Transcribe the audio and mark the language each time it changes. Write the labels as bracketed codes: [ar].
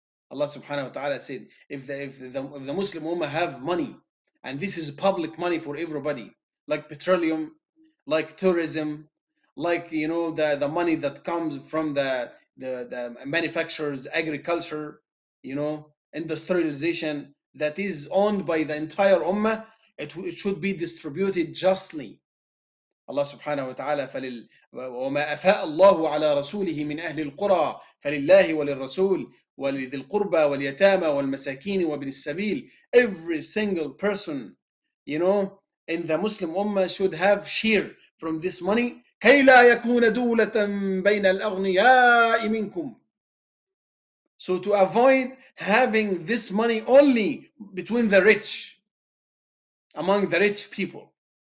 [en] Allah subhanahu wa ta'ala said, if the Muslim Ummah have money, and this is public money for everybody, like petroleum, like tourism, like, you know, the money that comes from the manufacturers, agriculture, you know, industrialization, that is owned by the entire ummah, it should be distributed justly. [ar] Allah subhanahu wa ta'ala, وَمَا أَفَاءَ اللَّهُ عَلَىٰ رَسُولِهِ مِنْ أَهْلِ الْقُرَىٰ فَلِلَّهِ وَلِلْرَسُولِ وَلِذِي الْقُرْبَىٰ وَالْيَتَامَىٰ وَالْمَسَاكِينِ وَبْنِ السَّبِيلِ. [en] Every single person, you know, in the Muslim ummah should have share from this money. [ar] كَيْ لَا يَكُونَ دُولَةً بَيْنَ الْأَغْنِيَاءِ مِنْكُمْ. [en] So to avoid having this money only between the rich, among the rich people.